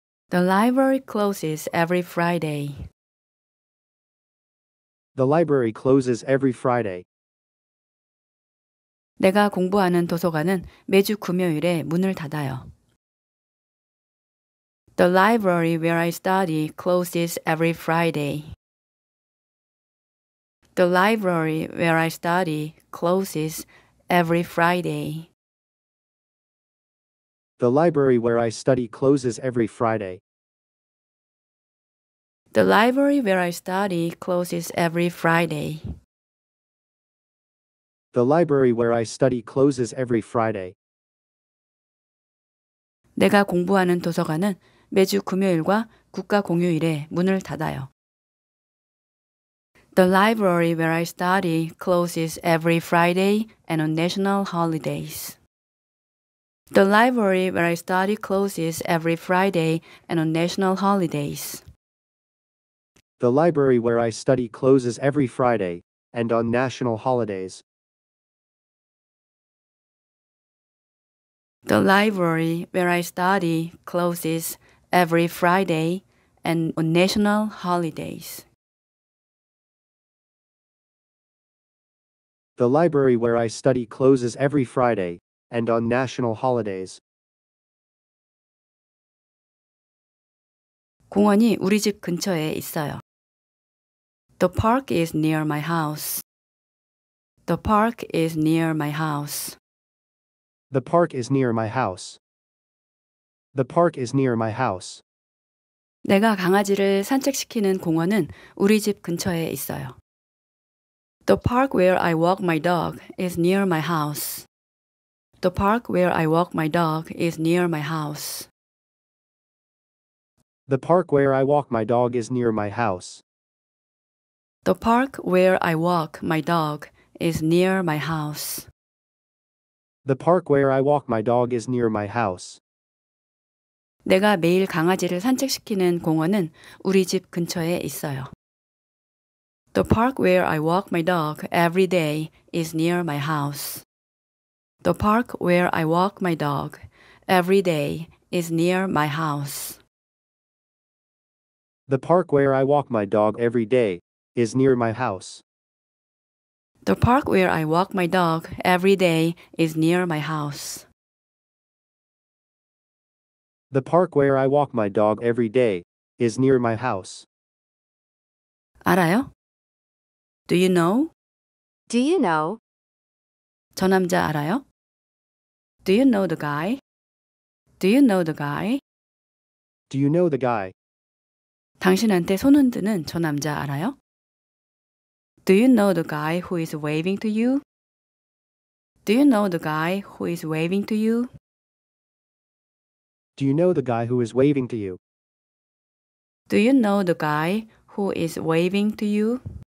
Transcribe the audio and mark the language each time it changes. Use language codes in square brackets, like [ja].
[en] The library closes every Friday. The library closes every Friday. [ko] 내가 공부하는 도서관은 매주 금요일에 문을 닫아요. [en] The library where I study closes every Friday. The library where I study closes every Friday. The library where I study closes every Friday. The library where I study closes every Friday. The library where I study closes every Friday. [ko] 내가 공부하는 도서관은 매주 금요일과 국가 공휴일에 문을 닫아요. [en] The library where I study closes every Friday and on national holidays. The library where I study closes every Friday and on national holidays. The library where I study closes every Friday and on national holidays. The library where I study closes every Friday and on national holidays. The library where I study closes every Friday and on national holidays. [ko] 공원이 우리 집 근처에 있어요. [en] The park is near my house. The park is near my house. The park is near my house. The park is near my house. [ko] 내가 강아지를 산책시키는 공원은 우리 집 근처에 있어요. [en] The park where I walk my dog is near my house. The park where I walk my dog is near my house. The park where I walk my dog is near my house. The park where I walk my dog is near my house. The park where I walk my dog is near my house. [ko] 내가 매일 강아지를 산책시키는 공원은 우리 집 근처에 있어요. [en] The park where I walk my dog every day is near my house. The park where I walk my dog every day is near my house. The park where I walk my dog every day is near my house. The park where I walk my dog every day is near my house. The park where I walk my dog every day is near my house. [ko] 알아요? [en] Do you know? Do you know? [ko] 저 남자 알아요? [en] Do you know the guy? Do you know the guy? Do you know the guy? [ko] 당신한테 손 흔드는 저 남자 알아요? [en] Do you know the guy who is waving to you? Do you know the guy who is waving to you? Do you know the guy who is waving to you? Do you know the guy who is waving to you?